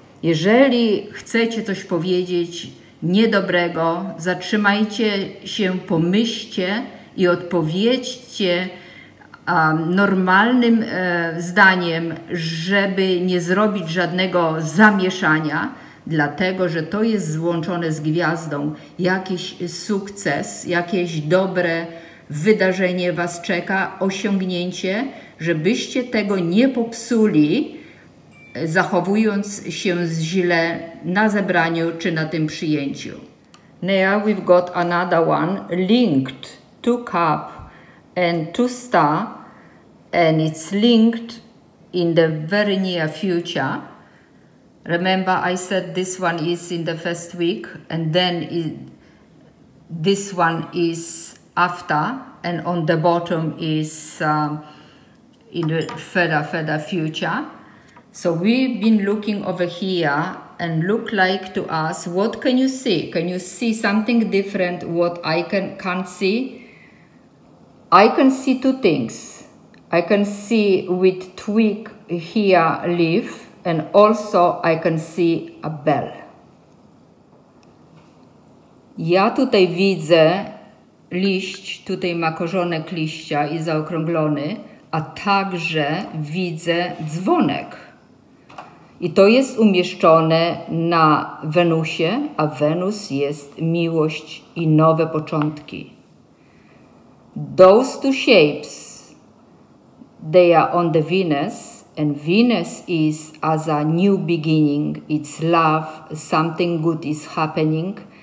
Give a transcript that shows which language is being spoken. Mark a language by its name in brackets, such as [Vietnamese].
[Polish] Jeżeli chcecie coś powiedzieć niedobrego, zatrzymajcie się, pomyślcie i odpowiedzcie normalnym zdaniem, żeby nie zrobić żadnego zamieszania, dlatego że to jest złączone z gwiazdą. Jakiś sukces, jakieś dobre wydarzenie Was czeka, osiągnięcie, żebyście tego nie popsuli, zachowując się źle na zebraniu czy na tym przyjęciu. [English] Now we've got another one, linked to cup and to star, and it's linked in the very near future. Remember, I said this one is in the first week, and then this one is after, and on the bottom is in the further future. So we've been looking over here, and look like to us, what can you see? Can you see something different what I can't see? I can see two things. I can see with twig here leaf, and also I can see a bell. [Polish] Ja tutaj widzę liść, tutaj ma korzonek liścia i zaokrąglony, a także widzę dzwonek. I to jest umieszczone na Wenusie, a Wenus jest miłość i nowe początki. [English] Those two shapes, they are on the Venus, and Venus is as a new beginning, it's love, something good is happening.